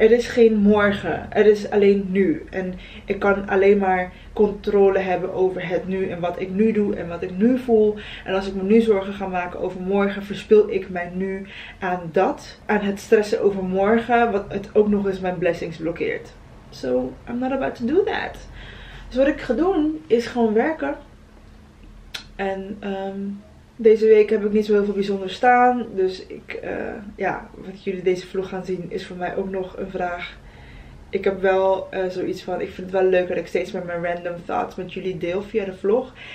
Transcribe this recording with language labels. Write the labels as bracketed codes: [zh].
[nl] Er is geen morgen. Er is alleen nu. En ik kan alleen maar controle hebben over het nu. En wat ik nu doe en wat ik nu voel. En als ik me nu zorgen ga maken over morgen, verspil ik mijn nu aan dat. Aan het stressen over morgen. Wat het ook nog eens mijn blessings blokkeert. [en] So, I'm not about to do that. [nl] Dus wat ik ga doen, is gewoon werken. En deze week heb ik niet zo heel veel bijzonder staan. Dus ik, ja, wat jullie deze vlog gaan zien, is voor mij ook nog een vraag. Ik heb wel zoiets van, ik vind het wel leuk dat ik steeds met mijn random thoughts met jullie deel via de vlog.